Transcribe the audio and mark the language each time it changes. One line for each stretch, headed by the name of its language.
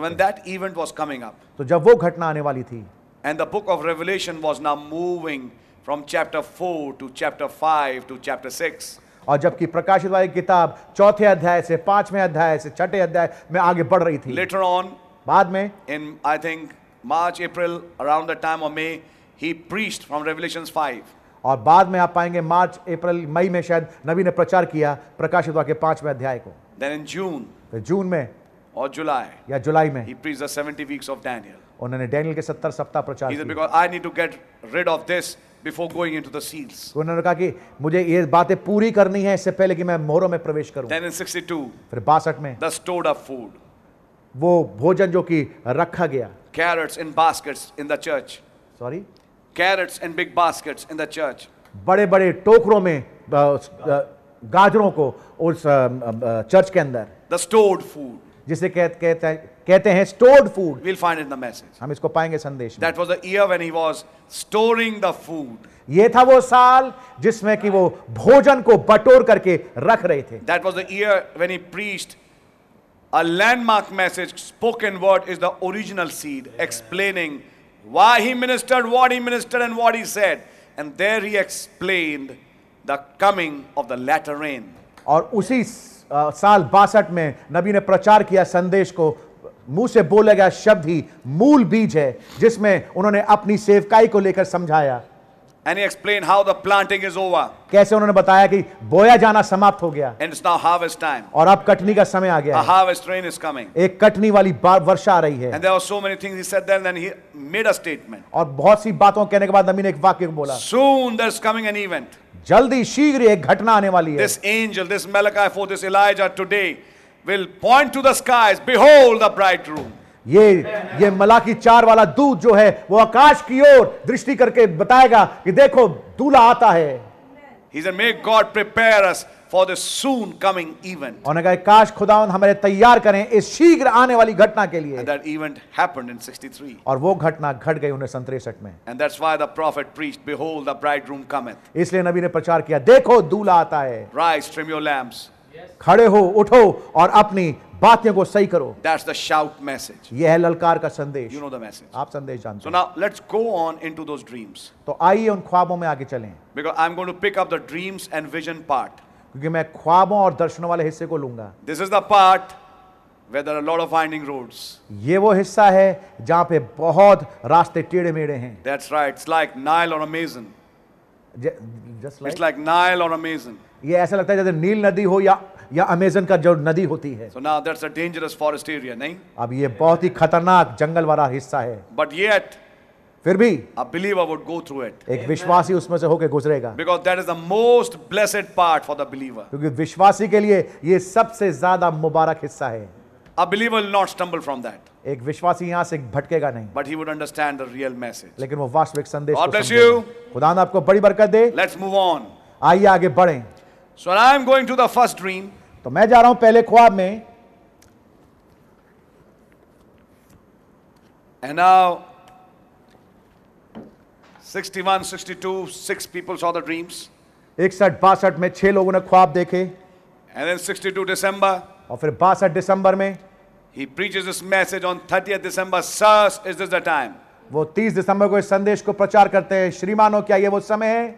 English: So when that event was coming up.
Hindi: तो जब वो घटना आने वाली थी.
English: And the book of Revelation was now moving from chapter 4 to chapter 5 to chapter 6.
Hindi: और जबकि प्रकाशित वाली किताब चौथे अध्याय से पांचवें अध्याय से छठे अध्याय में आगे बढ़ रही थी.
English: Later on,
Hindi: बाद में,
English: in I think March, April, around the time of May, he preached from Revelation 5.
Hindi: और बाद में आप पाएंगे मार्च अप्रैल मई में शायद नबी ने प्रचार किया प्रकाशित वाक्य पांचवें अध्याय को.
English: Then in June,
Hindi: तो जून में और जुलाई या जुलाई में
English: he preached the 70 weeks of Daniel.
Hindi: उन्होंने डैनियल के 70 सप्ताह प्रचार किया.
English: Because I need to get rid of this before going into the seals.
Hindi: उन्होंने कहा कि मुझे ये बातें पूरी करनी है इससे पहले कि मैं मोहरों में प्रवेश करूं.
English: Then in 62,
Hindi: फिर 62 में,
English: the stored up food.
Hindi: वो भोजन जो कि रखा गया.
English: Carrots in baskets in the church. Sorry? Carrots in big baskets in the church.
Hindi: बड़े-बड़े टोकरों में गाजरों को उस चर्च के अंदर.
English: The stored food.
Hindi: जिसे कहते हैं stored food.
English: We'll find in the message.
Hindi: हम इसको पाएंगे संदेश में.
English: That was the year when he was storing the food.
Hindi: ये था वो साल जिसमें कि वो भोजन को बटोर करके रख रहे थे.
English: That was the year when he preached a landmark message. Spoken word is the original seed, explaining why he ministered, what he ministered, and what he said. And there he explained the coming of the latter rain.
Hindi: और उसी साल 62 में नबी ने प्रचार किया संदेश को. मुंह से बोले गया शब्द ही मूल बीज है जिसमें उन्होंने अपनी सेवकाई को लेकर समझाया.
English: And he explained how the planting is over.
Hindi: कैसे उन्होंने बताया कि बोया जाना समाप्त हो गया.
English: And it's now harvest time.
Hindi: और अब कटनी का समय आ गया.
English: A harvest rain is coming.
Hindi: एक कटनी वाली वर्षा आ रही है.
English: And there were so many things he said then, and he made a statement.
Hindi: और बहुत सी बातों कहने के बाद नबी ने एक वाक्य बोला.
English: Soon there's coming an event.
Hindi: जल्दी शीघ्र एक घटना आने वाली है.
English: This angel, this Malachi 4, this Elijah today will point to the skies. Behold the bridegroom.
Hindi: ये मलाकी चार वाला दूत जो है वो आकाश की ओर दृष्टि करके बताएगा कि देखो दूल्हा आता है.
English: He said, "May God prepare us for the soon coming event."
Hindi: और कहा काश खुदावन हमारे तैयार करें इस शीघ्र आने वाली घटना के लिए.
English: And that event happened in 63.
Hindi: और वो घटना घट गई 1963 में.
English: And that's why the prophet preached, "Behold, the bridegroom cometh."
Hindi: इसलिए नबी ने प्रचार किया, देखो दूल्हा आता है.
English: Rise, trim your lamps.
Hindi: खड़े हो, उठो और अपनी बातें को सही करो.
English: That's the shout message.
Hindi: यह है ललकार का संदेश.
English: You know the message.
Hindi: आप संदेश जानते हैं.
English: So now let's go on into those dreams.
Hindi: तो आइए उन ख्वाबों में आगे चलें.
English: Because I'm going to pick up the dreams and vision part.
Hindi: क्योंकि मैं ख्वाबों और दर्शनों वाले हिस्से को लूंगा.
English: This is the part where there are a lot of winding roads.
Hindi: ये वो हिस्सा है जहाँ पे बहुत रास्ते टेढ़े-मेढ़े हैं.
English: That's right. It's like Nile or Amazon. Just like. It's like Nile or Amazon.
Hindi: ये ऐसा लगता है जैसे नील नदी हो या अमेज़न का जो नदी होती है.
English: So now that's a dangerous forest area, नहीं?
Hindi: अब ये बहुत ही खतरनाक जंगल वाला हिस्सा है.
English: But yet,
Hindi: फिर भी,
English: a believer would go through it.
Hindi: एक विश्वासी उसमें से होके गुजरेगा.
English: Because that is the most blessed part for the believer.
Hindi: क्योंकि विश्वासी के लिए ये सबसे ज्यादा मुबारक हिस्सा है.
English: A believer will not stumble from that.
Hindi: एक विश्वासी यहां से भटकेगा नहीं.
English: But he would understand the real message.
Hindi: लेकिन वो वास्तविक संदेश.
English: God bless you.
Hindi: खुदा ने आपको बड़ी बरकत दे.
English: Let's move on.
Hindi: आइए आगे बढ़ें.
English: So I am going to the first dream.
Hindi: तो मैं जा रहा हूं पहले ख्वाब में.
English: And now 61, 62, six people saw the dreams.
Hindi: 61, 62 में छह लोगों ने ख्वाब देखे.
English: And then 62 December.
Hindi: और फिर 62 दिसंबर में
English: He preaches this message on 30th December. Sirs, is this the time?
Hindi: वो 30 दिसंबर को इस संदेश को प्रचार करते हैं. श्रीमानों, क्या ये वो समय है?